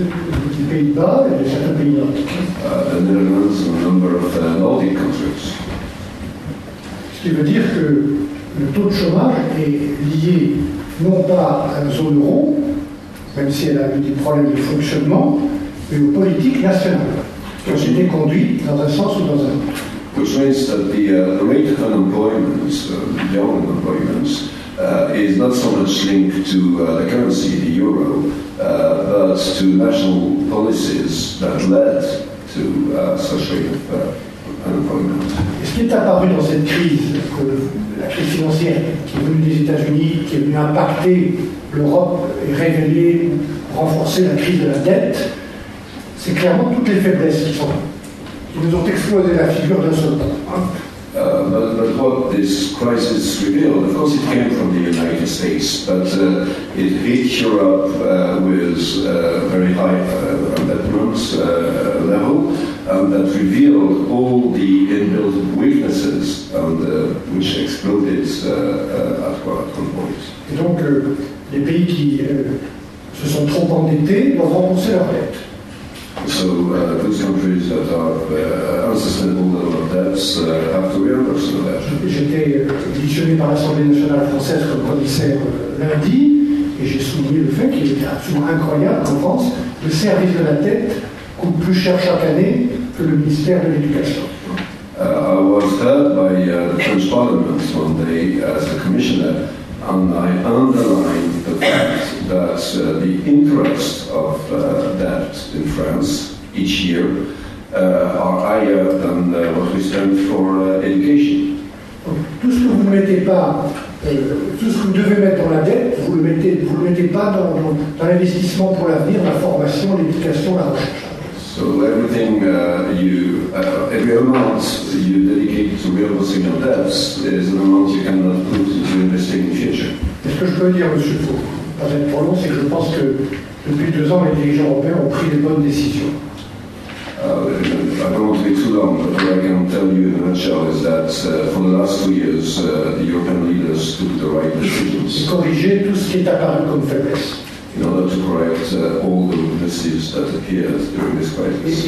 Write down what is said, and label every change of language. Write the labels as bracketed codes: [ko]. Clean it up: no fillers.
[en] The Netherlands and a number of Nordic countries. [fr] Ce qui veut dire que le taux de chômage est lié non pas à la zone euro, même si elle a eu des problèmes de fonctionnement, et aux politiques nationales, qui ont été conduites dans un sens ou dans un autre. [en] Which means that the rate of unemployment, young unemployment, is not so much linked to the currency, the euro, but to national policies that led to such rate of unemployment. [fr] Et ce qui est apparu dans cette crise, la crise financière qui est venue des États-Unis, qui est venue impacter l'Europe et révéler, renforcer la crise de la dette, c'est clairement toutes les faiblesses qui sont qui nous ont explosé la figure d'un seul coup. [en] But what this crisis revealed, of course it came from the United States, but it hit Europe with very high indebtedness level, and that revealed all the inbuilt weaknesses and, which exploded at one point. [fr] Et donc, les pays qui se sont trop endettés doivent rembourser leur dette. [en] So those countries that have unsustainable level of debts have to reimburse the debt. [fr] J'étais auditionné par l'Assemblée nationale française comme commissaire lundi, et j'ai souligné le fait qu'il était absolument incroyable qu'en France, le service de la dette coûte plus cher chaque année que le ministère de l'Éducation. [en] I was heard by the French Parliament one day as a commissioner, and I underlined the fact that the interest of debt in France each year are higher than what we spend for education. [fr] Tout ce que vous ne mettez pas, tout ce que vous devez mettre dans la dette, vous le mettez pas dans l'investissement pour l'avenir, la formation, l'éducation, la recherche. [en] So everything every amount you dedicate to reimbursing your debts is an amount you cannot put into investing in the future. [fr] Est-ce que je peux dire, Monsieur Faux, pas être trop long, c'est que je pense que depuis 2 ans, les dirigeants européens ont pris les bonnes décisions. [en] I don't want to be too long, but what I can tell you in a nutshell is that for the last 2 years, the European leaders took the right decisions. [fr] Et corriger tout ce qui est apparu comme faiblesse. [en] In order to correct all the weaknesses that appeared during this crisis.